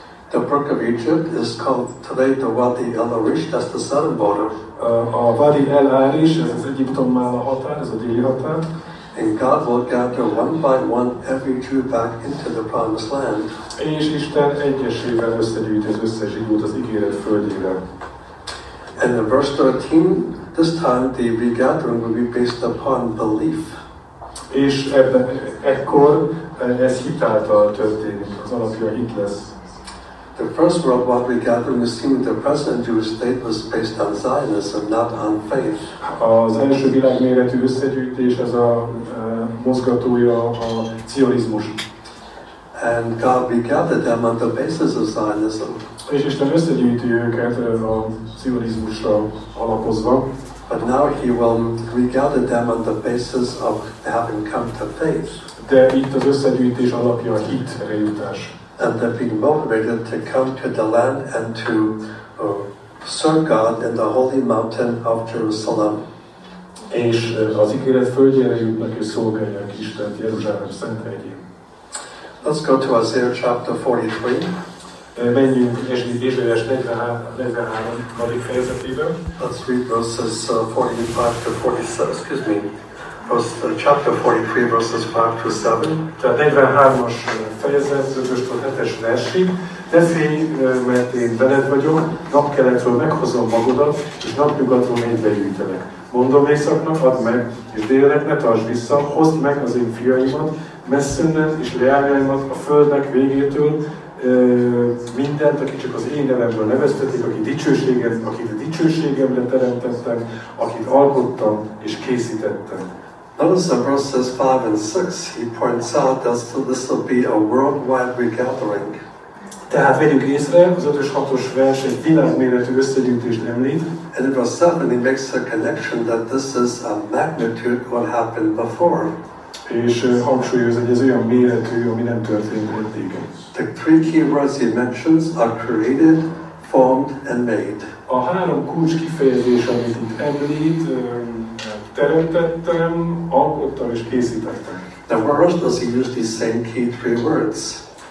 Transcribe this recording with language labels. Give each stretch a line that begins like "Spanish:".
English: The brook of Egypt is called today the Wadi El-Arish, that's the southern border.
Hungarian: A Wadi El-Arish, ez az Egyiptom már a határ, ez a déli határ.
English: And God will gather one by one every Jew back into the promised land.
Hungarian: És Isten egyesével összegyűjt az összes zsidót az ígéret földjére.
English: And in verse 13, this time the regathering will be based upon belief.
Hungarian: És ekkor ez hitáltal történik, az alapja itt lesz.
English: The first worldwide regathering is seen in the present Jewish state was based on Zionism, not on faith.
Hungarian: Az első világméretű összegyűjtés, ez a mozgatója a cionizmus.
English: And God regathered them on the basis of Zionism.
Hungarian: És Isten összegyűjti őket a cionizmusra alapozva.
English: But now he will regather them on the basis of having come to faith.
Hungarian: De itt az összegyűjtés alapja a hitre jutás.
English: And they're being motivated to come to the land and to serve God in the holy mountain of Jerusalem.
Hungarian: És az ígéret földjére jutnak és szolgálják Istent Jeruzsálem szent helyén.
English: Let's go to Isaiah chapter 43.
Hungarian: Menjünk Ézsaiás 43. fejezetébe.
English: Let's read verses 45 to 47, excuse me. Chapter 43, verses 5 to 7.
Hungarian: Tehát 43-as fejezet, 5-től 7-es versig. Ne félj, mert én veled vagyok, napkeletről meghozom magodat, és napnyugatról mélyt begyűjtelek. Mondom éjszaknak, add meg, és délnek ne tartsd vissza, hozd meg az én fiaimat, messzünnet és leányaimat a földnek végétől, mindent, aki csak az én nevemből neveztetik, aki dicsőséget, akit a dicsőségemre teremtettem, akit alkottam és készítettem.
English: Notice in verses 5 and 6, he points out that this will be a worldwide regathering.
Hungarian: Tehát vegyük észre, az 5-ös 6-os vers egy világméretű összegyűjtést említ.
English: And in verse 7, he makes a connection that this is a magnitude what happened before.
Hungarian: És hangsúlyoz, hogy ez olyan méretű, ami nem történt eddig.
English: The three key words he mentions are created, formed and made.
Hungarian: A három kulcs kifejezés, amit itt említ, teremtettem, alkottam és készítettem.
English: Now, where else does he use these same key three words?